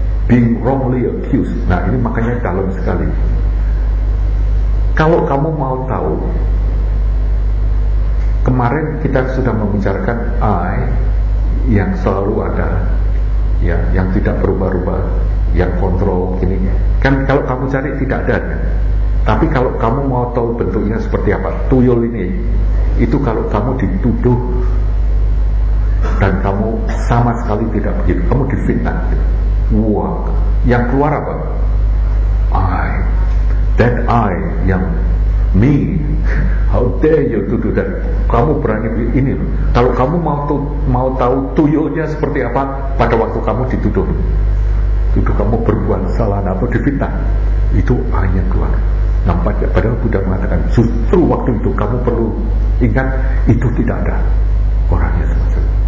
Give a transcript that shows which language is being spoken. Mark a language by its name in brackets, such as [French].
[English] Being wrongly accused. [Indonesian] Nah ini makanya dalam sekali. Kalau kamu mau tahu, kemarin kita sudah membicarakan I yang selalu ada, ya, yang tidak berubah-ubah, yang kontrol gini. Kan kalau kamu cari tidak ada. Tapi kalau kamu mau tahu bentuknya seperti apa, tuyul ini, itu kalau kamu dituduh dan kamu sama sekali tidak begitu, kamu difitnah. Wah, yang keluar apa? [English] I, that I, yang me, how dare you to do that? [Indonesian] Kamu berani ini? Kalau kamu mau tahu tuyulnya seperti apa pada waktu kamu dituduh, tuduh kamu berbuat salah atau difitnah, itu I yang keluar. Nampaknya padahal Buddha mengatakan justru waktu itu kamu perlu ingat itu tidak ada orangnya semacam.